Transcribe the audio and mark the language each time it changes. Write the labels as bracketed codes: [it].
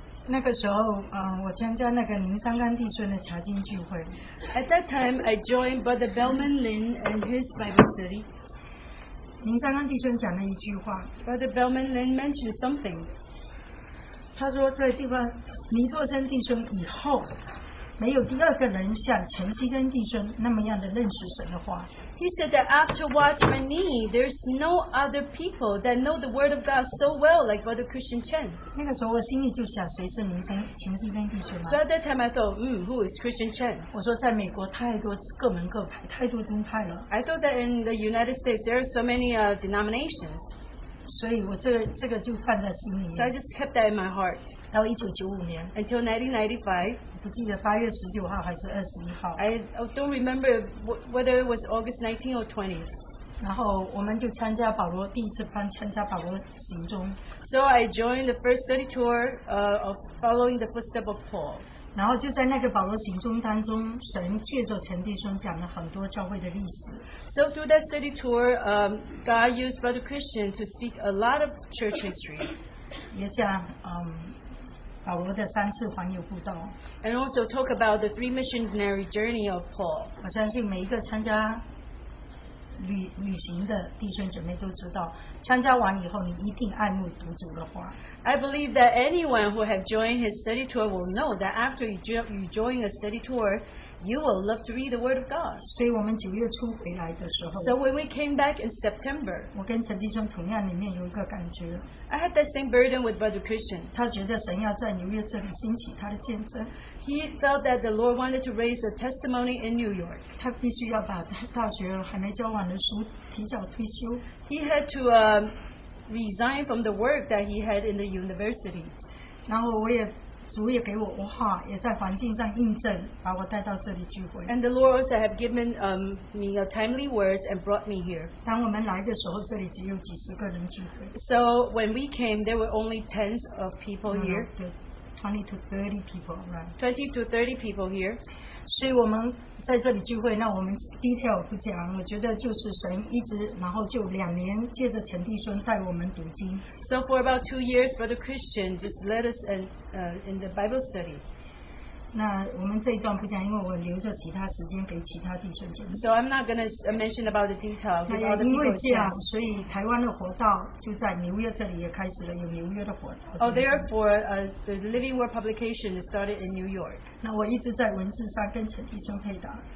[zh] 那个时候，我参加那个林三刚弟兄的查经聚会。 [en] At that time, I joined Brother Bellman Lin and his Bible study. [zh] 林三刚弟兄讲了一句话。 [en] Brother Bellman Lin mentioned something. [zh] 他说这个地方，尼作生弟兄以后。没有第二个人像陈锡珍弟兄那么样的认识神的话。 [en] He said that after Watchman Nee, there's no other people that know the Word of God so well like Brother Christian Chen. [zh] 那个时候我心里就想，谁是明星陈锡珍弟兄吗 [en] ？So at that time I thought, who is Christian Chen? [zh] 我说在美国太多各门各派，太多宗派了。 [en] I thought that in the United States there are so many denominations. [zh] 所以我这个就放在心里。 [en] So I just kept that in my heart. [zh] 到1995年。 [en] Until 1995. [zh] 不记得8月19号还是21号。 [en] I don't remember whether it was August 19 or 20. [zh] 然后我们就参加保罗第一次班参加保罗行踪。 [en] So I joined the first study tour of following the footstep of Paul. [zh] 然后就在那个保罗行踪当中，神借着陈弟兄讲了很多教会的历史。 [en] So through that study tour, God used Brother Christian to speak a lot of church history. [zh] 也讲保罗的三次环游布道。 [en] And also talk about the three missionary journey of Paul. [zh] 我相信每一个参加旅行的弟兄姐妹都知道，参加完以后你一定爱慕读主的话。 [en] I believe that anyone who have joined his study tour will know that after you join a study tour, you will love to read the Word of God. [zh] 所以我们九月初回来的时候 [en] ，So when we came back in September, [zh] 我跟陈弟兄同样里面有一个感觉。 [en] I had the same burden with Brother Christian. [zh] 他觉得神要在纽约这里兴起他的见证。 [en] He felt that the Lord wanted to raise a testimony in New York. [zh] 他必须要把大学还没教完的书提早退休。 [en] He had to resign from the work that he had in the university. [zh] 然后我也主也给我话，也在环境上印证，把我带到这里聚会。 [en] And the Lord also have given me a timely word and brought me here. [zh] 当我们来的时候，这里只有几十个人聚会。 [en] So when we came, there were only tens of people here. 20 to 30 people, right? 20 to 30 people here. [zh] 所以我们在这里聚会，那我们 detail 不讲。我觉得就是神一直，然后就两年借着陈弟兄带我们读经。 [en] So for about 2 years, Brother Christian just led us in the Bible study. [zh] 那我们这一段不讲，因为我留着其他时间给其他弟兄讲。 [en] So I'm not gonna mention about the detail. [zh] 因为这样，所以台湾的活道就在纽约这里也开始了，有纽约的活道。 [en] Oh, therefore, the Living Word publication started in New York. [zh] 那我一直在文字上跟陈弟兄配搭。